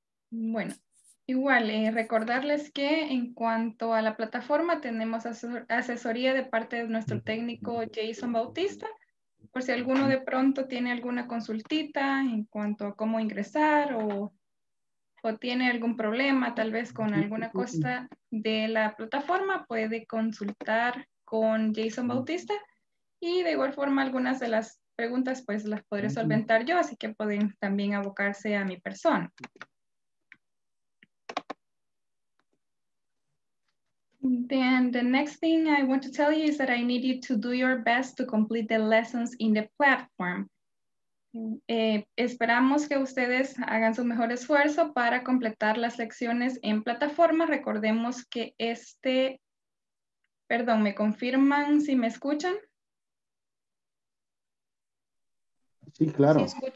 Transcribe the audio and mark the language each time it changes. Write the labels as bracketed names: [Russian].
[Spanish] Bueno, Igual, recordarles que en cuanto a la plataforma tenemos asesoría de parte de nuestro técnico Jason Bautista, por si alguno de pronto tiene alguna consultita en cuanto a cómo ingresar o tiene algún problema tal vez con alguna cosa de la plataforma, puede consultar con Jason Bautista y de igual forma algunas de las preguntas pues las podré solventar yo, así que pueden también abocarse a mi persona. [English] Then the next thing I want to tell you is that I need you to do your best to complete the lessons in the platform. [Spanish] Esperamos que ustedes hagan su mejor esfuerzo para completar las lecciones en plataforma. Recordemos que este, perdón, ¿me confirman si me escuchan? Sí, claro.